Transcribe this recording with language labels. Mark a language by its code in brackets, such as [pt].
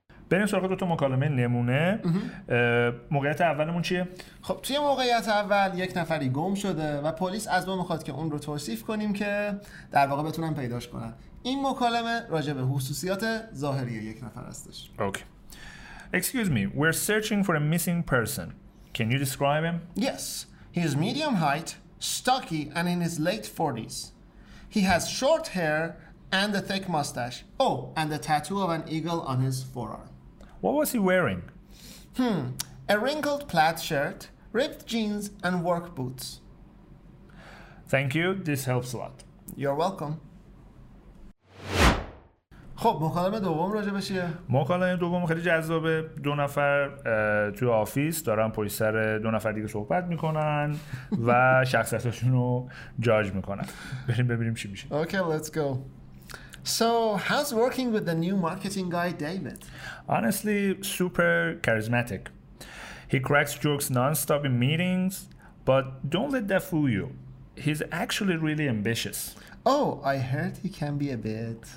[fa] بریم سراغ دو تا مکالمه نمونه. موقعیت اولمون چیه؟ خب توی موقعیت اول یک نفری گم شده و پلیس از ما میخواد که اون رو توصیف کنیم که در واقع بتونن پیداش کنن. این مکالمه راجع به خصوصیات ظاهری یک نفر هستش. اوکی. [en] Excuse me, we're searching for a missing person. Can you describe him? Yes. He is medium height, stocky and in his late 40s. He has short hair and a thick mustache. Oh, and a tattoo of an eagle on his forearm. What was he wearing? A wrinkled plaid shirt, ripped jeans, and work boots. Thank you. This helps a lot. You're welcome. [fa] خب مکالمه دوم راجع به چیه؟ مکالمه دوم خیلی جذابه. دو نفر توی آفیس دارن پشت سر دو نفر دیگه صحبت میکنن و شخصیتشون رو جاج میکنن. بریم ببینیم چی میشه. [en] Okay, let's go. So, how's working with the new marketing guy, David? Honestly, super charismatic. He cracks jokes non-stop in meetings, but don't let that fool you. He's actually really ambitious. Oh, I heard he can be a bit...